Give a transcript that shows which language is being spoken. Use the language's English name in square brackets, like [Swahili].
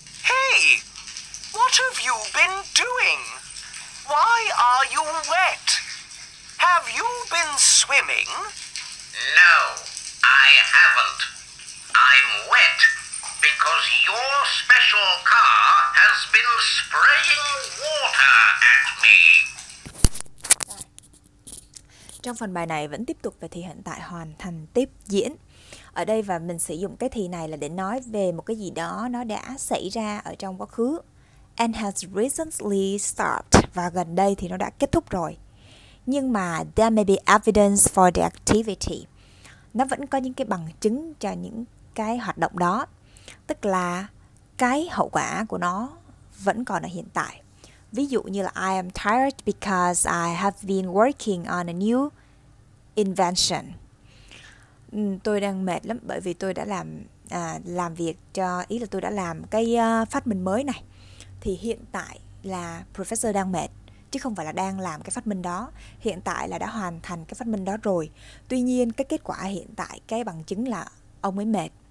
[English] Hey! What have you been doing? Why are you wet? Have you been swimming? No, I haven't. I'm wet because your special car has been spraying water at me. [Vietnamese] Trong phần bài này vẫn tiếp tục về thì hiện tại hoàn thành tiếp diễn. Ở đây và mình sử dụng cái thì này là để nói về một cái gì đó nó đã xảy ra ở trong quá khứ. [English] And has recently stopped. [Vietnamese] Và gần đây thì nó đã kết thúc rồi. Nhưng mà [English] there may be evidence for the activity. [Vietnamese] Nó vẫn có những cái bằng chứng cho những cái hoạt động đó. Tức là cái hậu quả của nó vẫn còn ở hiện tại. Ví dụ như là [English] I am tired because I have been working on a new invention. [Vietnamese] Tôi đang mệt lắm bởi vì tôi đã làm việc cho, ý là tôi đã làm cái phát minh mới này. Thì hiện tại là professor đang mệt, chứ không phải là đang làm cái phát minh đó. Hiện tại là đã hoàn thành cái phát minh đó rồi. Tuy nhiên cái kết quả hiện tại, cái bằng chứng là ông ấy mệt.